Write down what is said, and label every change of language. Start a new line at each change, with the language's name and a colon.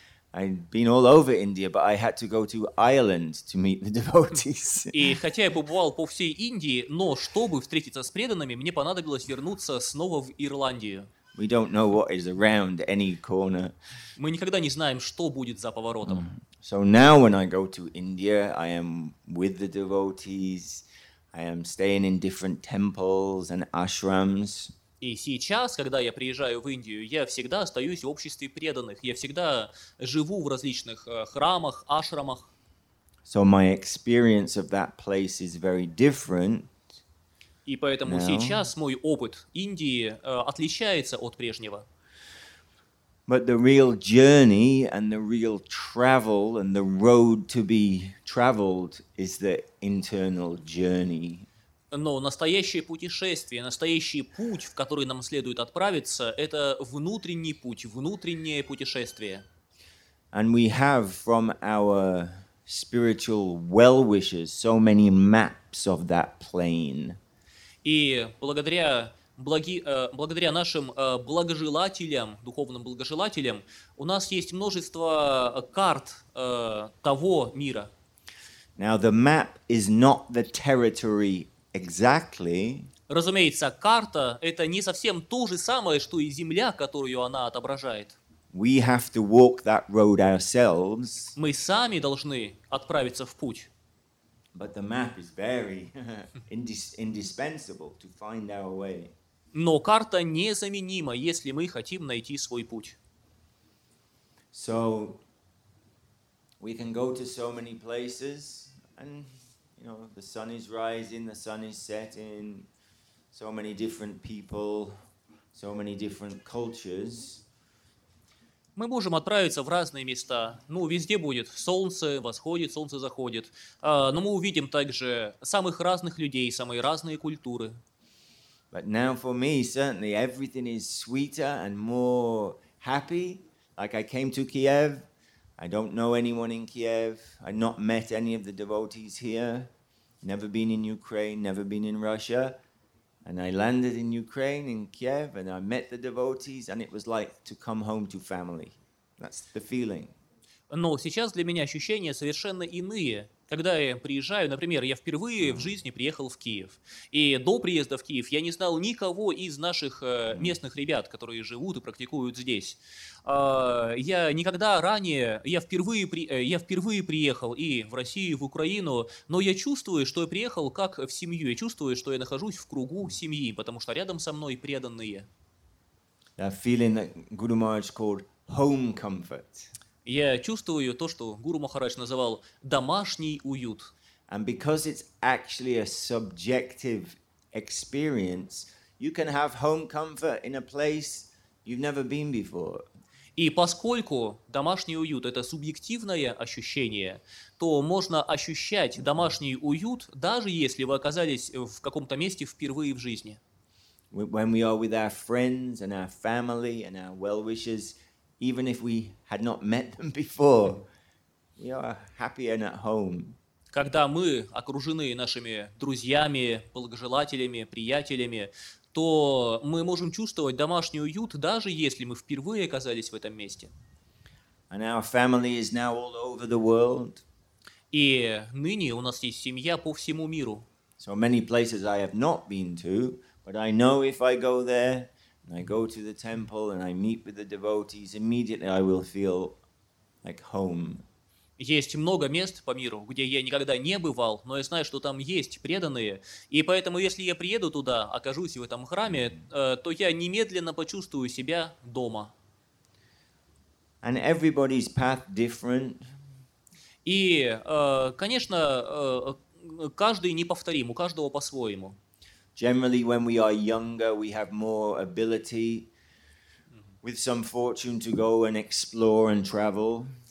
English: I'd been all over India, but I had to go to Ireland to meet the devotees.
Russian: И хотя я побывал по всей Индии, но чтобы встретиться с преданными, мне понадобилось вернуться снова в Ирландию.
English: We don't know what is around any corner.
Russian: Мы никогда не знаем, что будет за поворотом.
English: So now when I go to India, I am with the devotees. I am staying in different temples and ashrams.
Russian: И сейчас, когда я приезжаю в Индию, я всегда остаюсь в обществе преданных. Я всегда живу в различных храмах, ашрамах.
English: So my experience of that place is very different.
Russian: И поэтому
English: now.
Russian: Сейчас мой опыт Индии отличается от прежнего.
English: But the real journey and the real travel and the road to be traveled is the internal journey.
Russian: Но настоящее путешествие, настоящий путь, в который нам следует отправиться, это внутренний путь, внутреннее путешествие.
English: And we have from our spiritual well-wishers so many maps of that plane.
Russian: И благодаря благодаря нашим благожелателям, духовным благожелателям, у нас есть множество карт того мира.
English: Now the map is not the territory exactly.
Russian: Разумеется, карта — это не совсем то же самое, что и земля, которую она отображает.
English: We have to walk that road ourselves.
Russian: Мы сами должны отправиться в путь.
English: But the map is very indispensable to find our way.
Russian: Но карта незаменима, если мы хотим найти свой путь.
English: So we can go to so many places, and you know, the sun is rising, the sun is setting, so many different people, so many different cultures.
Russian: Мы можем отправиться в разные места. Ну, везде будет солнце, восходит, солнце заходит. Но мы увидим также самых разных людей, самые разные культуры.
English: But now for me, certainly everything is sweeter and more happy. Like I came to Kiev, I don't know anyone in Kiev, I've not met any of the devotees here, never been in Ukraine, never been in Russia. And I landed in Ukraine, in Kiev, and I met the devotees, and it was like to come home to family. That's the feeling.
Russian: Но сейчас для меня ощущения совершенно иные. Когда я приезжаю, например, я впервые в жизни приехал в Киев. И до приезда в Киев я не знал никого из наших местных ребят, которые живут и практикуют здесь. Я никогда ранее, я впервые приехал и в Россию, и в Украину, но я чувствую, что я приехал как в семью. Я чувствую, что я нахожусь в кругу семьи, потому что рядом со мной преданные.
English: That feeling that Guru Maharaj called home comfort.
Russian: Я чувствую то, что Гуру Махарадж называл домашний уют.
English: And because it's actually a subjective experience, you can have home comfort in a place you've never been before.
Russian: И поскольку домашний уют – это субъективное ощущение, то можно ощущать домашний уют, даже если вы оказались в каком-то месте впервые в жизни.
English: When we are with our friends and our family and our well-wishers, even if we had not met them before, we are happier and at home.
Russian: Когда мы окружены нашими друзьями, благожелателями, приятелями, то мы можем чувствовать домашний уют, даже если мы впервые оказались в этом месте.
English: And our family is now all over the world.
Russian: И ныне у нас есть семья по всему миру.
English: So many places I have not been to, but I know if I go there, I go to the temple and I meet with the devotees, immediately I will feel like home.
Russian: Есть много мест по миру, где я никогда не бывал, но я знаю, что там есть преданные, и поэтому, если я приеду туда, окажусь в этом храме, то я немедленно почувствую себя дома.
English: And everybody's path different.
Russian: И, конечно, каждый неповторим, у каждого по-своему.
English: Generally, when we are younger, we have more ability with some fortune to go and explore and travel.